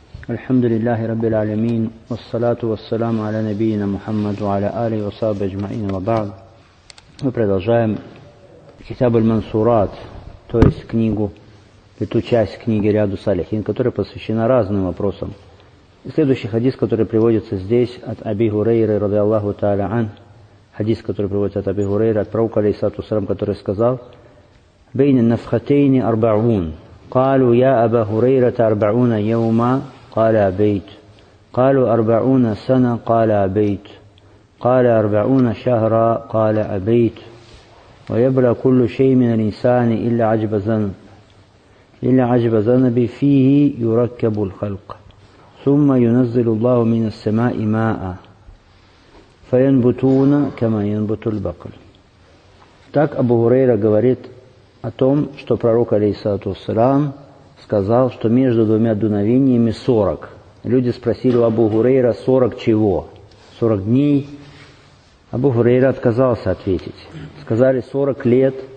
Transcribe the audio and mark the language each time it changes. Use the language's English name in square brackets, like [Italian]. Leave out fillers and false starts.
[Arabic] الحمد لله رب العالمين، والصلاة والسلام على نبينا محمد وعلى آله وصحبه أجمعين، وبعد. [Russian] Продолжаем كتاب المنصورات، то есть книгу, эту часть книги ряду салихин, которая посвящена разным вопросам. Следующий хадис, который приводится здесь от Аби Хурейры [Arabic] رضي الله تعالى عنه, [Russian] хадис, который приводится от Аби Хурейры, от пророка [Arabic] عليه الصلاة والسلام, [Russian] который сказал: [Arabic] بين النفختين أربعون. قالوا يا أبا هريرة أربعون يوما قال بيت قالوا أربعون سنة قال بيت قال أربعون شهرا قال أبيت ويبلى كل شيء من الإنسان إلا عجب ذنب إلا عجب ذنب فيه يركب الخلق ثم ينزل الله من السماء ماء فينبتون كما ينبت البقر. [Russian] Так Абу Хурейра говорит о том, что пророк, алейхиссалату вассалям, сказал, что между двумя дуновениями 40. Люди спросили у Абу Хурейра: 40 чего? 40 дней? Абу Хурейра отказался ответить. Сказали: 40 лет.